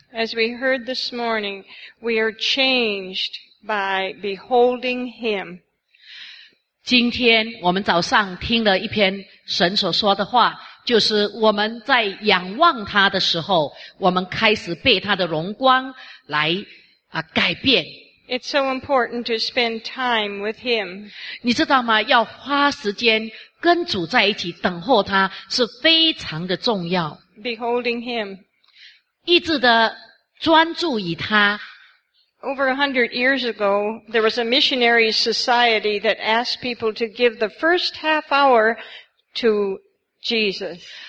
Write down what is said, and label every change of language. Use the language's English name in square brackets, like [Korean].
[English] As we heard this morning, we are changed by beholding him. [Chinese] 今天我们早上听了一篇神所说的话，就是我们在仰望他的时候，我们开始被他的荣光来改变。 [English] It's so important to spend time with him. [Chinese] 你知道吗？要花时间跟主在一起等候他是非常的重要。 [English] Beholding him. [Chinese] 一直的专注于他。 [English] Over 100 years ago, there was a missionary society that asked people to give the first half hour to Jesus.